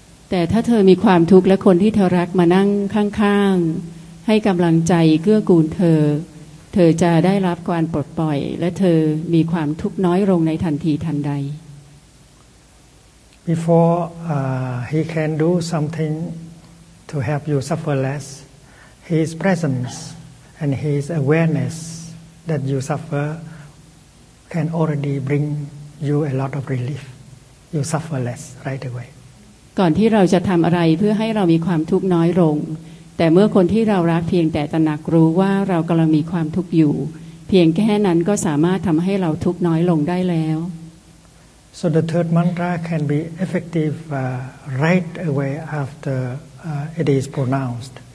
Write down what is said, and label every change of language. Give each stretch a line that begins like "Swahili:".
Thai: แต่ถ้าเธอมีความทุกข์และคนที่เธอรักมานั่งข้างๆให้กำลังใจเกื้อกูลเธอจะได้รับการปลดปล่อยและเธอมีความทุกข์น้อยลงในทันทีทันใด
English: Before he can do something to help you suffer less his presence and his awareness that you suffer can already bring you a lot of relief you suffer less right away
Thai: ก่อนที่เราจะทำอะไรเพื่อให้เรามีความทุกข์น้อยลงแต่เมื่อคนที่เรารักเพียงแต่ตระหนักรู้ว่าเรากำลังมีความทุกข์อยู่เพียงแค่นั้นก็สามารถทำให้เราทุกข์น้อยลงได้แล้ว
English: So the third mantra can be effective right away after it is pronounced